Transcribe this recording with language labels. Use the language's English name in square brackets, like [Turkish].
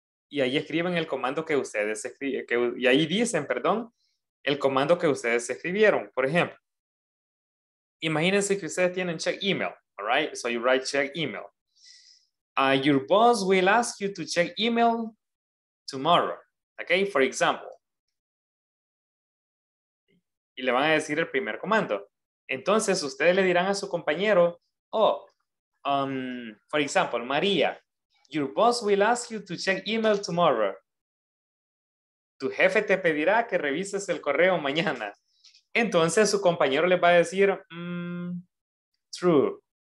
[Spanish] Y ahí escriben el comando que ustedes escribieron. Y ahí dicen, perdón, el comando que ustedes escribieron. Por ejemplo, imagínense que ustedes tienen [English] check email, All right, so you write check email. Your boss will ask you to check email tomorrow. Okay, for example. [Spanish] Y le van a decir el primer comando. Entonces, ustedes le dirán a su compañero, [English] for example, [Spanish] María, [English] your boss will ask you to check email tomorrow. [Spanish] Tu jefe te pedirá que revises el correo mañana. Entonces, su compañero le va a decir, true.